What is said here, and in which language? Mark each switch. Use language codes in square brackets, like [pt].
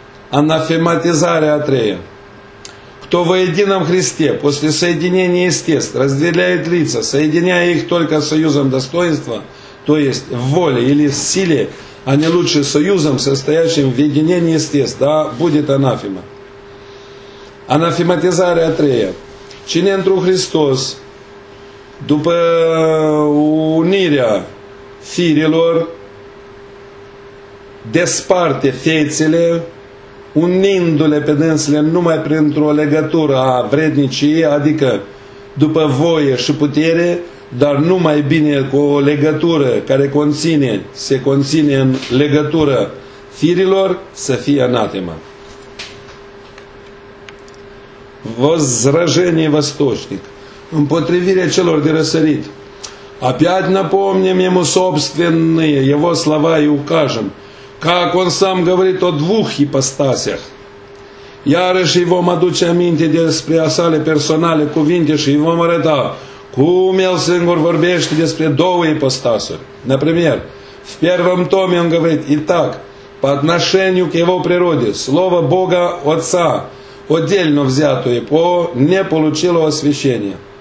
[ro] Anafematizarea a treia. [ru] Кто во едином Христе, после соединения естеств, разделяет лица, соединяя их только союзом достоинства, то есть в воле или в силе, а не лучше союзом, состоящим в единении естеств, да, будет анафема. [ro] Анафематизарea a treia. Cine într-un Hristos, după unirea firilor, desparte fețele, unindu-le pe dânsele numai printr-o legătură a vredniciei, adică după voie și putere, dar numai bine cu o legătură care conține, se conține în legătură firilor, să fie anatema. [ru] Возражение восточник. [ro] Împotrivire celor de răsărit. [ru] Опять напомним ему собственные его слова и укажем, как он сам говорит о двух ипостасях. [ro] Iarăși îi vom aduce aminte despre sale personale cuvinte și îi vom arăta cum el singur vorbește despre două ipostasuri. [ru] Например, в первом томе он говорит и так, по отношению к его природе, слово Бога Отца, отдельно взятое, по не получило освящение.